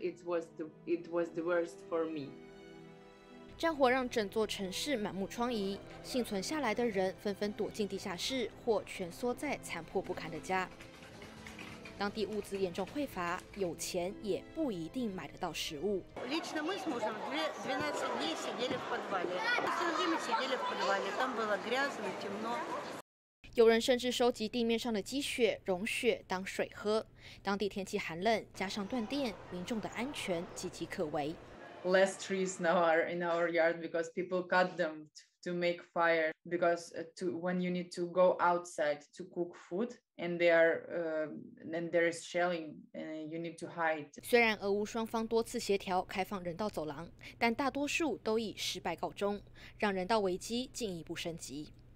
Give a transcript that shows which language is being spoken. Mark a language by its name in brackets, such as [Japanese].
[English] It was the worst for me. [Chinese] 战火让整座城市满目疮痍，幸存下来的人纷纷躲进地下室或蜷缩在残破不堪的家。当地物资严重匮乏，有钱也不一定买得到食物。 [Russian] Лично мы с мужем 12 дней сидели в подвале. Все время сидели в подвале. Там было грязно, темно. [Chinese] 有人甚至收集地面上的积雪、融雪当水喝。当地天气寒冷，加上断电，民众的安全岌岌可危。 [English] Less trees now are in our yard because people cut them to make fire. Because when you need to go outside to cook food and there is shelling, you need to hide. [Chinese] 虽然俄乌双方多次协调开放人道走廊，但大多数都以失败告终，让人道危机进一步升级。